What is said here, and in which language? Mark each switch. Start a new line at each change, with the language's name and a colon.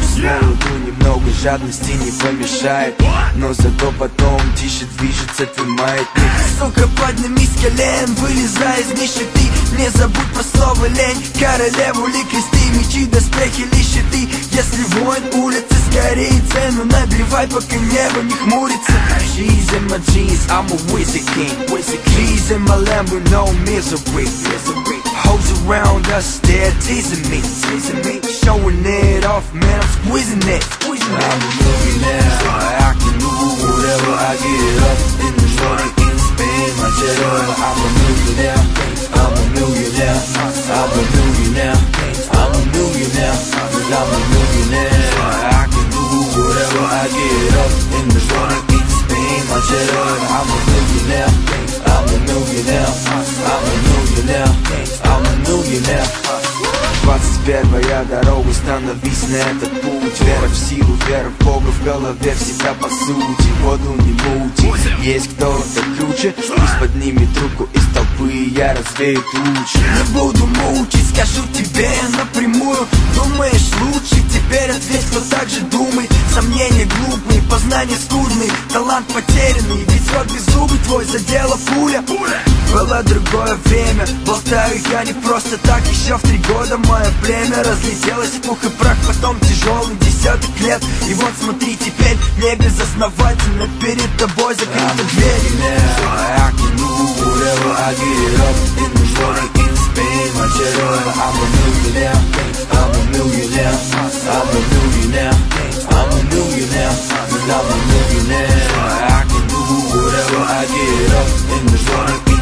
Russian: С народу немного жадности не помешает. Но зато потом тише движется твой маятник. Сука, поднимись с колен, вылезай из нищеты. Не забудь про слово лень, королеву ли крести. Мечи, доспехи ли щиты. Если воин улицы, скорее цену набивай, пока небо не хмурится.
English: G's in my jeans, I'm a wizard king. G's in my Lambo, no misery. Hoes around us, they're teasing me. Showing it off, man, I'm squeezing it. I'm a millionaire, I can do whatever I get up in the morning and spend my cheddar. I'm a millionaire, I'm a millionaire, I'm a millionaire, I'm a millionaire, and I'm a millionaire. I can do whatever I get up in the morning. My cheddar, I'm a millionaire, I'm a millionaire, I'm a millionaire, I'm a millionaire.
Russian: 21-я дорога, становись на этот путь. Вера в силу, вера в Бога, в голове всегда по сути. Воду не мути, есть кто-то круче. Пусть поднимет руку из толпы, я развею тучи. Не буду мучить, скажу тебе напрямую. Думаешь лучше, теперь ответь, кто так же думает. Сомнения глупые, познания скудные. Талант потерянный, ведь рот без зубы твой задела пуля. Было другое время, болтаю я не просто так. Еще в 3 года мое племя разлетелось в пух и прах. Потом тяжелый десяток лет, и вот смотри теперь, небезосновательно перед тобой закрыта дверь.
English: I'm a millionaire, I can do whatever I get up in the morning and spend my cheddar. I'm a millionaire, I'm a millionaire, I'm a millionaire, I'm a millionaire, and I'm a millionaire. I can do whatever I get up in the morning.